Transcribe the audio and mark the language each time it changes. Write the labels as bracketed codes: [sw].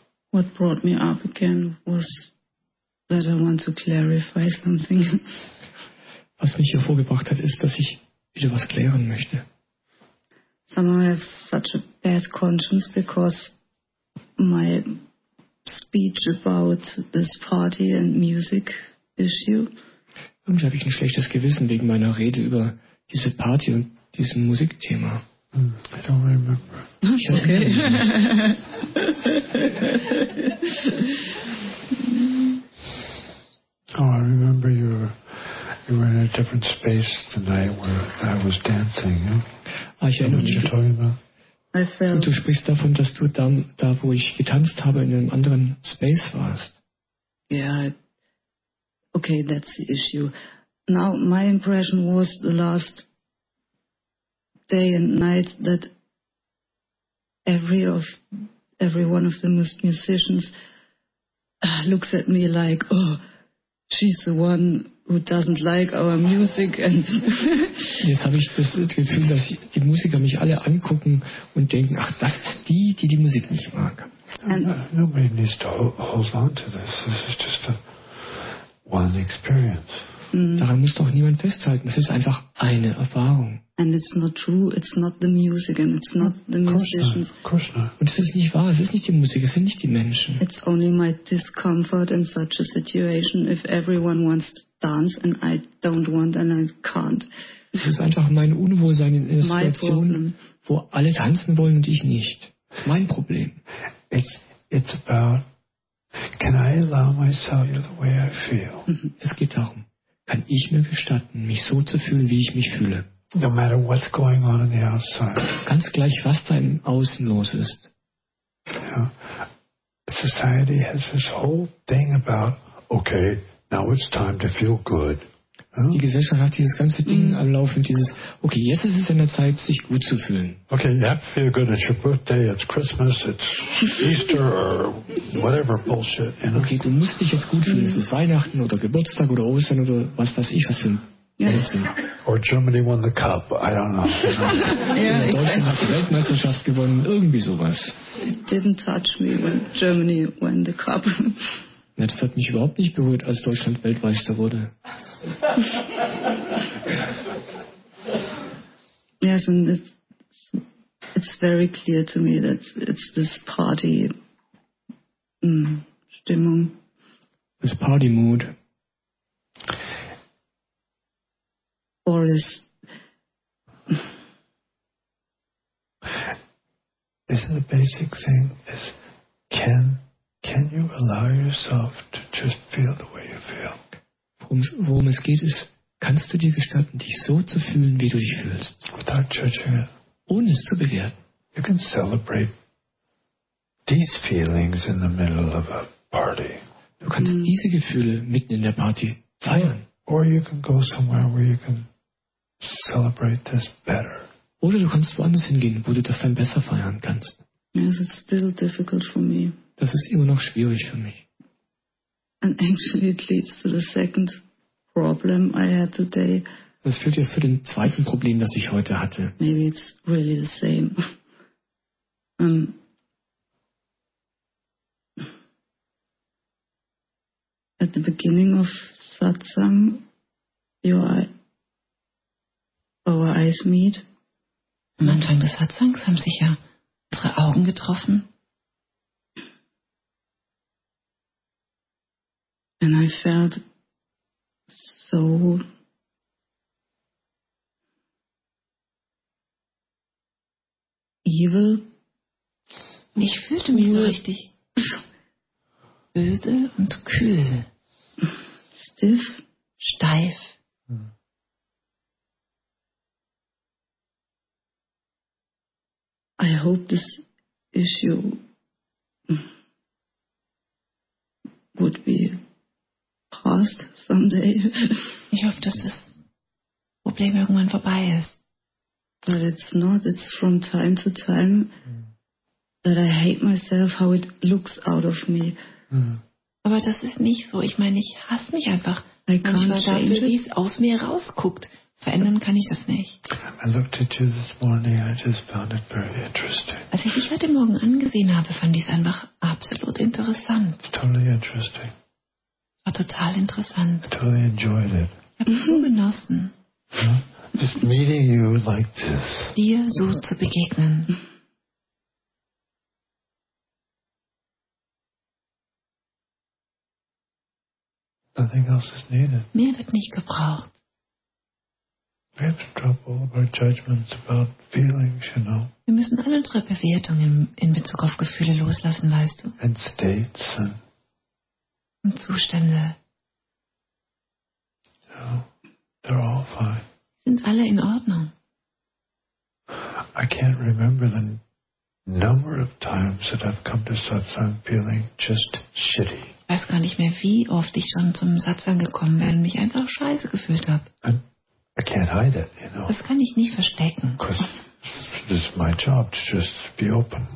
[en] What brought me up again was that I want to clarify something. [de] Was mich hier vorgebracht hat, ist, dass ich wieder was klären möchte. [en] Somehow I have such a bad conscience because my speech about this party and music issue. [de] Irgendwie habe ich ein schlechtes Gewissen wegen meiner Rede über diese Party und diesem Musikthema. [en] I don't remember. Okay. Oh, I remember you were in a different space the night where I was dancing. [de] Ich erinnere mich. Und du sprichst davon, dass du dann, da wo ich getanzt habe, in einem anderen Space warst. [en] Yeah. Okay, that's the issue. Now, my impression was the last day and night that every one of the musicians looks at me like, oh, she's the one who doesn't like our music. And [de] jetzt habe ich das Gefühl, dass die Musiker mich alle angucken und denken, ach, das ist die, die die Musik nicht mag. [en] And nobody needs to hold on to this. This is just a one experience. [de] Daran muss doch niemand festhalten. Es ist einfach eine Erfahrung. [en] And it's not true. It's not the music and it's not the musicians. Of course not. [de] Und es ist nicht wahr. Es ist nicht die Musik. Es sind nicht die Menschen. [en] It's only my discomfort in such a situation. If everyone wants to dance and I don't want and I can't. [de] Es ist einfach mein Unwohlsein in einer Situation, wo alle tanzen wollen und ich nicht. Das ist mein Problem. [en] It's about, can I allow myself the way I feel? [de] Es geht darum. Kann ich mir gestatten, mich so zu fühlen, wie ich mich fühle? [en] No matter what's going on the outside. [de] Ganz gleich, was da im Außen los ist. [en] Yeah. Society has this whole thing about, okay, now it's time to feel good. [de] Die Gesellschaft hat dieses ganze Ding am Laufen, dieses, okay, jetzt ist es an der Zeit, sich gut zu fühlen. [en] Okay, yeah, feel good, it's your birthday, it's Christmas, it's Easter, or whatever bullshit. You know? [de] Okay, du musst dich jetzt gut fühlen, es ist Weihnachten oder Geburtstag oder Ostern oder was weiß ich, was für ein Blödsinn. [en] Or Germany won the cup, I don't know. [de] Deutschland hat die Weltmeisterschaft gewonnen, irgendwie sowas. [en] It didn't touch me when Germany won the cup. [de] Das hat mich überhaupt nicht berührt, als Deutschland Weltmeister wurde. [en] Yes, and it's very clear to me that it's this party Stimmung. This party mood. Or is... Isn't a basic thing is can you allow yourself to just feel the way you feel? [de] Worum es geht ist, kannst du dir gestatten, dich so zu fühlen, wie du dich fühlst? [en] Without judging it. [de] Ohne es zu bewerten. [en] You can celebrate these feelings in the middle of a party. [de] Du kannst diese Gefühle mitten in der Party feiern. [en] Or you can go somewhere where you can celebrate this better. [de] Oder du kannst woanders hingehen, wo du das dann besser feiern kannst. [en] Yes, it's still difficult for me. [de] Das ist immer noch schwierig für mich. [en] And actually it leads to the second problem I had today. [de] Das führt jetzt zu dem zweiten Problem, das ich heute hatte. [en] Maybe it's really the same. At the beginning of satsang, our eyes meet. [de] Am Anfang des Satsangs haben sich ja unsere Augen getroffen. [en] And I felt so evil. [de] Ich fühlte mich so richtig böse und kühl. [en] Stiff. [de] Steif. [en] I hope this issue would be passed someday. [de] Ich hoffe, dass das Problem irgendwann vorbei ist. [en] But it's not. It's from time to time that I hate myself, how it looks out of me. [de] Aber das ist nicht so. Ich meine, ich hasse mich einfach. Manchmal dafür, wie es aus mir rausguckt. Verändern kann ich das nicht. [en] I looked at you this morning, I just found it very interesting. [de] Als ich dich heute Morgen angesehen habe, fand ich es einfach absolut interessant. [en] Totally interesting. [de] War total interessant. [en] I totally enjoyed it. [de] Ich habe es genossen. [en] Just meeting you like this. [de] Dir so zu begegnen. [en] Nothing else is needed. [de] Mehr wird nicht gebraucht. [en] We have to drop all of our judgments about feelings, you know. [de] Wir müssen alle unsere Bewertungen in Bezug auf Gefühle loslassen, weißt du? [en] And states and [de] und Zustände. [en] You know, they're all fine. [de] Sind alle in Ordnung? [en] I can't remember the number of times that I've come to satsang feeling just shitty. [de] Ich weiß gar nicht mehr, wie oft ich schon zum Satsang gekommen bin und mich einfach scheiße gefühlt habe. [en] I can't hide it, you know. [de] Das kann ich nicht verstecken. [en] This is my job to just be open.